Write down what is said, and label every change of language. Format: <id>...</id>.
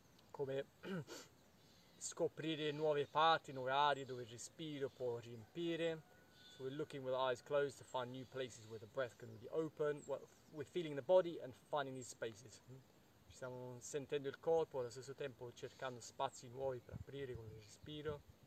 <it>Come scoprire nuove parti, nuove aree dove il respiro può riempire.</it> <en>So we're looking with eyes closed to find new places where the breath can be open. Well, we're feeling the body and finding these spaces.</en> <it>Ci stiamo sentendo il corpo, allo stesso tempo cercando spazi nuovi per aprire con il respiro.</it>